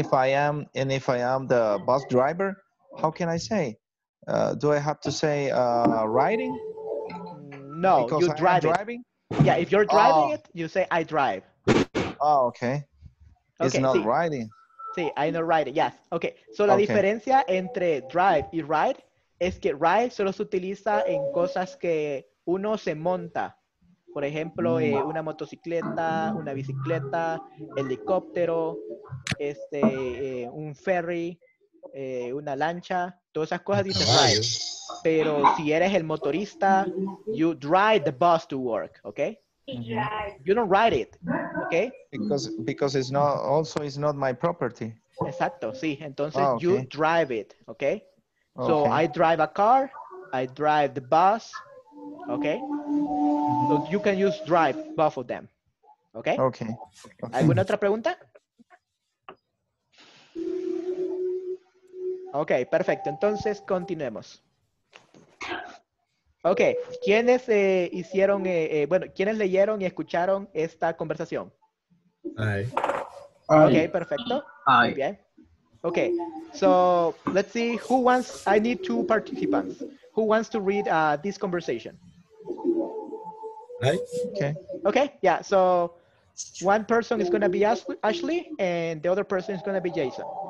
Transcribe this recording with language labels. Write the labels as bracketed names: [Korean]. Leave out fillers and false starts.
[English] And if I am the bus driver, how can I say? Do I have to say riding? No, because you drive driving? It. Yeah, if you're driving it, you say I drive. Oh, okay. It's okay, not see, riding. Sí, I know riding, yes. Okay, so [Spanish] la diferencia entre drive y ride es que ride solo se utiliza en cosas que uno se monta. Por ejemplo, una motocicleta, una bicicleta, helicóptero, un ferry, una lancha. Todas esas cosas dicen ride, pero si eres el motorista, [English] you drive the bus to work, okay? Mm-hmm. You don't ride it, okay? Because it's not my property. [Spanish] Exacto, sí. Entonces, [English] you drive it, okay? So, I drive a car, I drive the bus, okay? So, you can use drive both of them, okay? Okay. [Spanish] ¿Alguna otra pregunta? Okay, perfecto. Entonces, continuemos. Okay, ¿quiénes hicieron, quiénes leyeron y escucharon esta conversación? Aye. Okay, perfecto. Aye. Muy bien. [English] Okay, so let's see who wants, I need two participants. Who wants to read this conversation? Aye. Okay, yeah, so one person is going to be Ashley and the other person is going to be Jason.